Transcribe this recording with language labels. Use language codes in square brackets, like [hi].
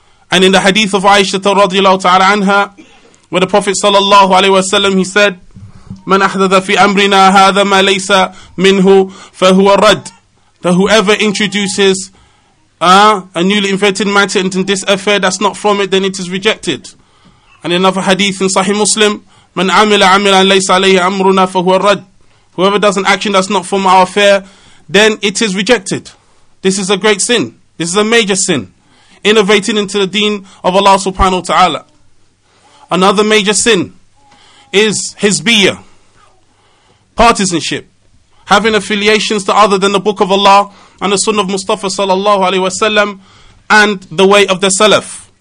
[en] And in the hadith of Aisha radiallahu ta'ala anha, where the Prophet sallallahu alaihi wasallam, he said, [ar] "مَنْ أَحْدَثَ فِي أَمْرِنَا هَذَا مَا لَيْسَ مِنْهُ فَهُوَ رَدْ." [en] That whoever introduces a newly invented matter into this affair that's not from it, then it is rejected. And another hadith in Sahih Muslim, [ar] "مَنْ عَمِلَ عَمِلًا لَيْسَ عَلَيْهِ أَمْرُنَا فَهُوَ رَدْ." [en] Whoever does an action that's not from our affair, then it is rejected. This is a great sin. This is a major sin. Innovating into the deen of Allah subhanahu wa ta'ala. Another major sin is hizbiyya, partisanship, having affiliations to other than the Book of Allah and the Sunnah of Mustafa sallallahu alaihi wasallam and the way of the Salaf.